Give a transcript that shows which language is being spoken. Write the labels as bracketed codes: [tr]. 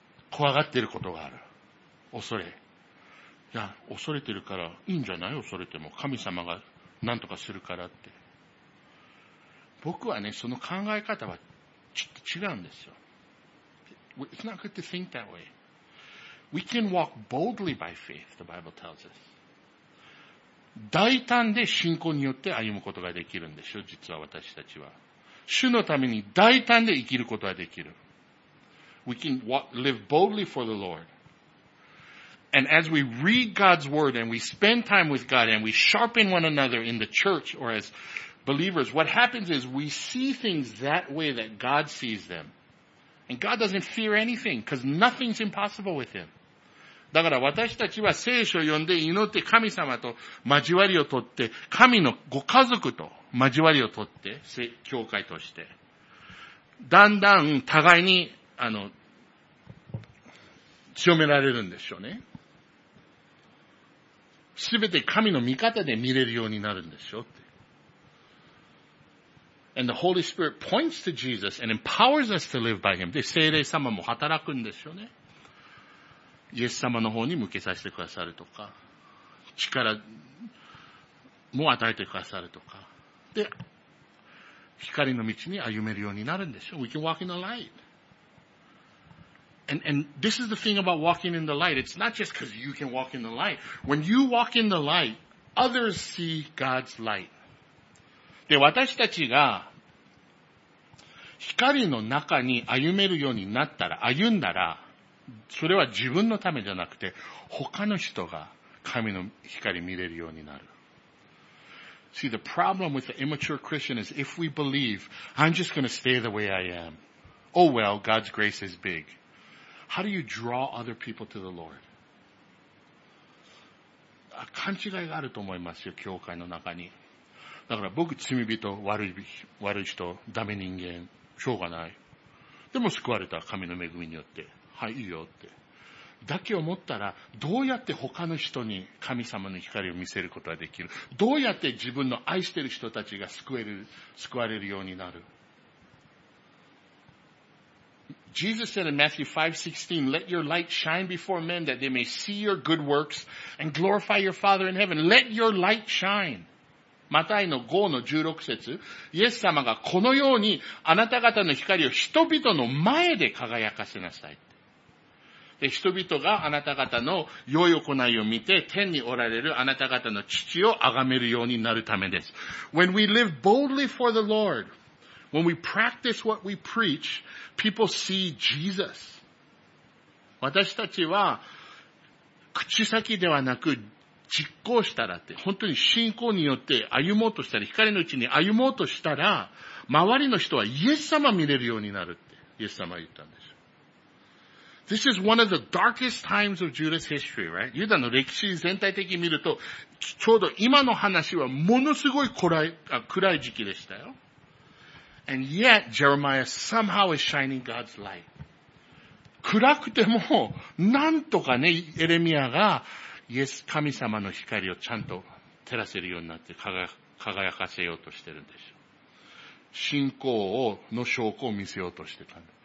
[ja] 怖がってることがある。恐れ。いや、恐れてるからいいんじゃない？恐れても。神様が何とかするからって。僕はね、その考え方はちょっと違うんですよ。 [en] It's not good to think that way. We can walk boldly by faith, the Bible tells us. [ja] 大胆で信仰によって歩むことができるんでしょ、実は私たちは。主のために大胆で生きることができる。 [en] We can live boldly for the Lord. And as we read God's word and we spend time with God and we sharpen one another in the church or as believers, what happens is we see things that way that God sees them. And God doesn't fear anything because nothing's impossible with him. [ja] だから私たちは聖書を読んで祈って神様と交わりをとって、神のご家族と交わりをとって、教会として。だんだん互いに、強められるんでしょうね。すべて神の見方で見れるようになるんでしょうって。 [en] And the Holy Spirit points to Jesus and empowers us to live by Him. [ja] で、聖霊様も働くんでしょうね。イエス様の方に向けさせてくださるとか、力も与えてくださるとか、で、光の道に歩めるようになるんでしょう。 [en] We can walk in the light. And this is the thing about walking in the light. It's not just because you can walk in the light. When you walk in the light, others see God's light. [ja] で、私たちが光の中に歩めるようになったら、歩んだら、それは自分のためじゃなくて、他の人が神の光を見れるようになる。 [en] See, the problem with the immature Christian is if we believe, I'm just going to stay the way I am. Oh well, God's grace is big. How do you draw other people to the Lord? [ja] 勘違いがあると思いますよ、教会の中に。だから僕、罪人、悪い人、ダメ人間、しょうがない。でも救われた、神の恵みによって。はい、いいよって。だけ思ったら、どうやって他の人に神様の光を見せることができる？どうやって自分の愛してる人たちが救われるようになる？ [en] Jesus said in Matthew 5:16, Let your light shine before men that they may see your good works and glorify your Father in heaven. Let your light shine. [ja] マタイの5の16節、イエス様がこのようにあなた方の光を人々の前で輝かせなさい。で、人々があなた方の良い行いを見て、天におられるあなた方の父を崇めるようになるためです。 [en] When we live boldly for the Lord, when we practice what we preach, people see Jesus. [ja] 私たちは、口先ではなく、実行したらって、本当に信仰によって歩もうとしたら、光のうちに歩もうとしたら、周りの人はイエス様見れるようになるって、イエス様は言ったんです。 [en] This is one of the darkest times of Judah's history, right? [ja] ユダの歴史全体的に見ると、ちょうど今の話はものすごい暗い時期でしたよ。 [en] And yet, Jeremiah somehow is shining God's light. [ja] 暗くても、なんとかね、エレミアが、イエス神様の光をちゃんと照らせるようになって輝かせようとしてるんでしょ。信仰を、の証拠を見せようとしてたんだ。